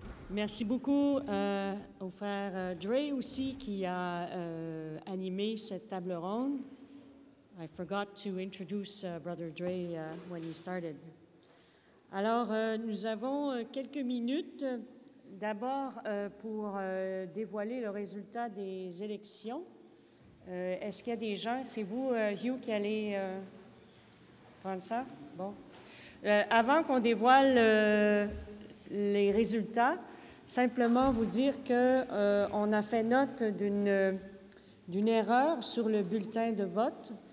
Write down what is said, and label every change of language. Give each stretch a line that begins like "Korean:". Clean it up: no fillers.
French: Merci beaucoup au frère Dre aussi qui a animé cette table ronde.
English: I forgot to introduce Brother Dre when he started.
French: Alors, nous avons quelques minutes d'abord pour dévoiler le résultat des élections. Est-ce qu'il y a des gens? C'est vous, Hugh, qui allez prendre ça? Bon. Avant qu'on dévoile les résultats, simplement vous dire qu'on a fait note d'une erreur sur le bulletin de vote.